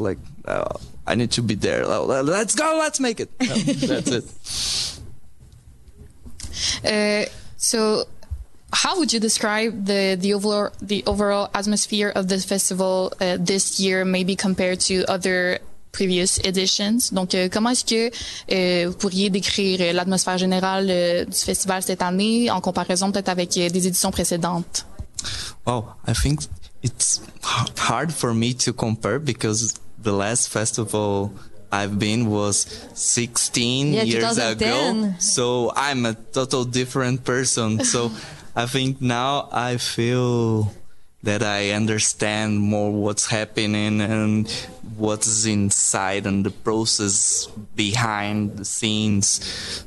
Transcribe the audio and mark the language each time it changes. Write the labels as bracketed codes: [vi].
[en] Like I need to be there. Let's go, let's make it. That's it. So how would you describe the overall atmosphere of this festival this year, maybe compared to other previous editions? [fr] Donc, comment est-ce que vous pourriez décrire l'atmosphère générale du festival cette année en comparaison peut-être avec des éditions précédentes? [en] Oh, I think it's hard for me to compare because the last festival I've been was 16 years ago. So I'm a total different person. So I think now I feel that I understand more what's happening and what's inside and the process behind the scenes.